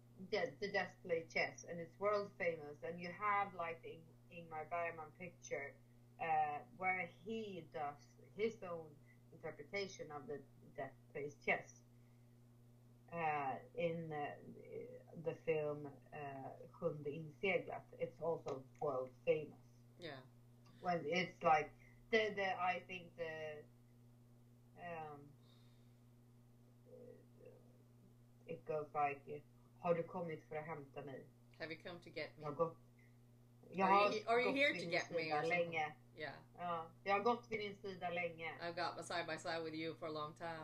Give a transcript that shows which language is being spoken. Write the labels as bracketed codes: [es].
[en] The death play chess, and it's world famous. And you have like the Ingmar Bergman picture, where he does his own interpretation of the death play chess. In the film Sjunde inseglat, it's also world famous. Yeah. When it's like the I think the it goes like, [sv] "Har du kommit för att hämta mig?" [en] Have you come to get me? [sv] Jag gått. [en] Are you here to get me? Or [sv] länge. [en] Yeah. [sv] Jag har gått vid din sida länge. [en] I've got side by side with you for a long time.